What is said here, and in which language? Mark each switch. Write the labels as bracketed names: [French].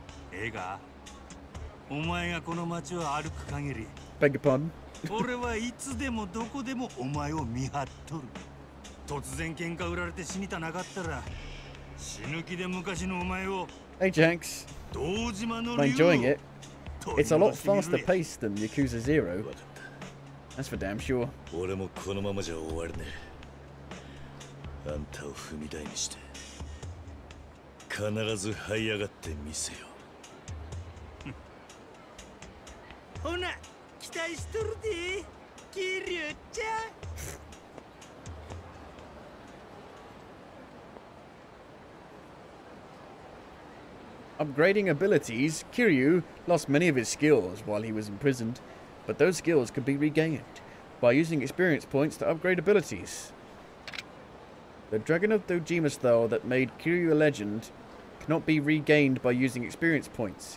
[Japanese] ええか、お前がこの街を歩く限り [English] Beg your pardon? [Japanese] 俺はいつでもどこでもお前を見張っとる。突然喧嘩売られて死にたなかったら死ぬ気で昔のお前を。 [English] Hey Jax, I'm enjoying it. It's a lot faster paced than Yakuza Zero. That's for damn sure. [Japanese] 俺もこのままじゃ終われねえ。あんたを踏み台にして必ず這い上がってみせよ。ほな、期待しとるで、キリュウちゃん。 [English] Upgrading abilities, Kiryu lost many of his skills while he was imprisoned, but those skills could be regained by using experience points to upgrade abilities. The Dragon of Dojima style that made Kiryu a legend cannot be regained by using experience points.